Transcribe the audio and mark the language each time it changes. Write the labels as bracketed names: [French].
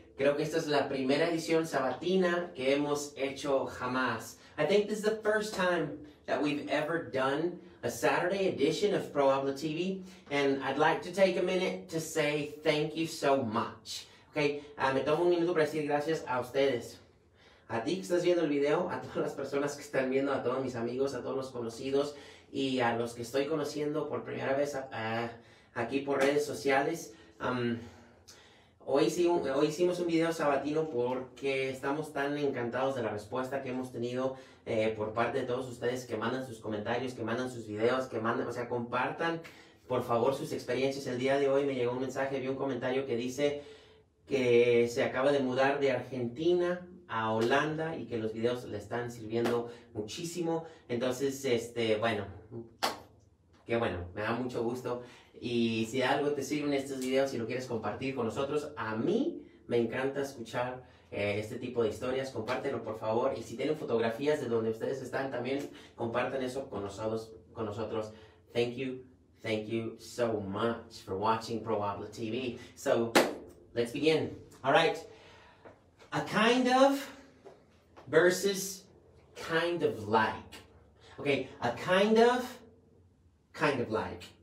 [Spanish] Creo que esta es la primera edición sabatina que hemos hecho jamás. [English] I think this is the first time that we've ever done a Saturday edition of ProHabla TV. And I'd like to take a minute to say thank you so much. [Spanish] Okay, me tomo un minuto para decir gracias a ustedes. A ti que estás viendo el video, a todas las personas que están viendo, a todos mis amigos, a todos los conocidos y a los que estoy conociendo por primera vez aquí por redes sociales. Hoy hicimos un video sabatino porque estamos tan encantados de la respuesta que hemos tenido por parte de todos ustedes que mandan sus comentarios, que mandan sus videos, que mandan, o sea, compartan, por favor, sus experiencias. El día de hoy me llegó un mensaje, vi un comentario que dice que se acaba de mudar de Argentina a Holanda y que los videos le están sirviendo muchísimo. Entonces, bueno, qué bueno, me da mucho gusto. Y si algo te sirven estos videos y lo quieres compartir con nosotros, a mí me encanta escuchar este tipo de historias. Compártelo, por favor. Y si tienen fotografías de donde ustedes están, también compartan eso con nosotros. [English] Thank you so much for watching ProHabla TV. So, let's begin. All right. A kind of versus kind of like. Okay, a kind of like.